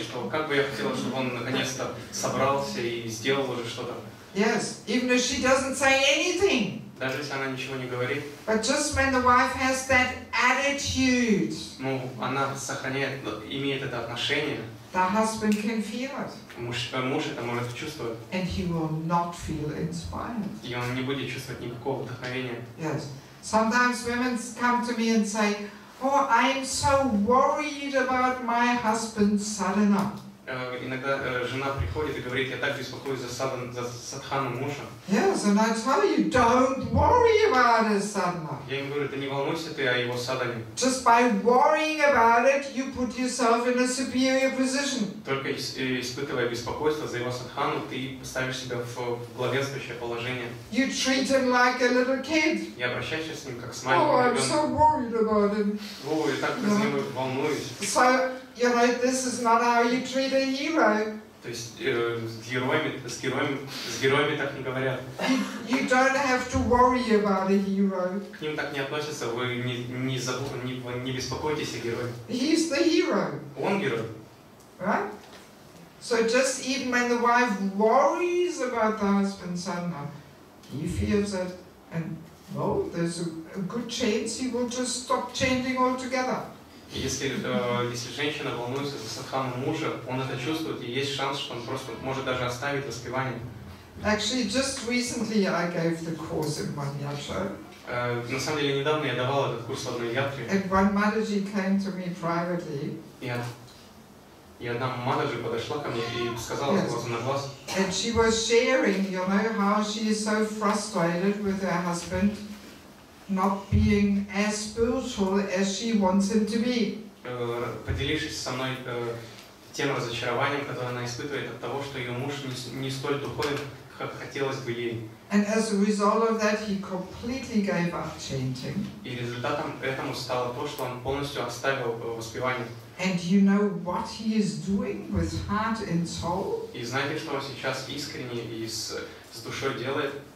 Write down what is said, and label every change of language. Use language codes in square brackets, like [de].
[ru] что как бы я хотела, чтобы он наконец-то собрался и сделал уже что-то. [en] Yes, even if she doesn't say anything. [ru] Даже если она ничего не говорит. [en] But just when the wife has that attitude. [ru] Ну, она сохраняет, имеет это отношение. [en] The husband can feel it. [ru] Муж это может чувствовать. [en] And he will not feel inspired. [ru] И он не будет чувствовать никакого вдохновения. [en] Yes. Sometimes women come to me and say, "Oh, I'm so worried about my husband Sadhana." [ru] Иногда жена приходит и говорит, я так беспокоюсь за Садхану мужа. [en] Yes, and I tell you, don't worry about his Sadhana. [ru] Я им говорю, да не волнуйся ты о его Садхане. [en] Just by worrying about it, you put yourself in a superior position. [ru] Только испытывая беспокойство за его Садхану, ты поставишь себя в главенствующее положение. [en] You treat him like a little kid. [ru] Я обращаюсь с ним как с маленьким ребенком. [en] Oh, I'm so worried about him. [ru] О, я так за него волнуюсь. [en] So, you know, this is not how you treat a hero. [ru] То есть с героями так не говорят. [en] You don't have to worry about a hero. [ru] К ним так не относятся. Вы не беспокойтесь о герое. [en] He's the hero. [ru] Он герой. [en] Right? So just even when the wife worries about the husband Sadhana, he feels it, and well, there's a good chance he will just stop chanting altogether. [ru] Если женщина волнуется за садхану мужа, он это чувствует, и есть шанс, что он просто может даже оставить воспевание. [en] Actually, just recently I gave the course in one yatra. [ru] На самом деле, недавно я давал этот курс в одной ятре. [en] And one Mataji came to me privately. [ru] И одна Матаджи подошла ко мне и сказала глазом на глаз. [en] And she was sharing, you know, how she is so frustrated with her husband not being as spiritual as she wants him to be. [ru] Поделившись со мной тем разочарованием, которое она испытывает от того, что ее муж не столь духовен, как хотелось бы ей. [en] And as a result of that, he completely gave up chanting. [ru] И результатом этому стало то, что он полностью оставил воспевание. [en] And you know what he is doing with heart and soul? [ru] И знаете, что он сейчас искренне и с душой делает?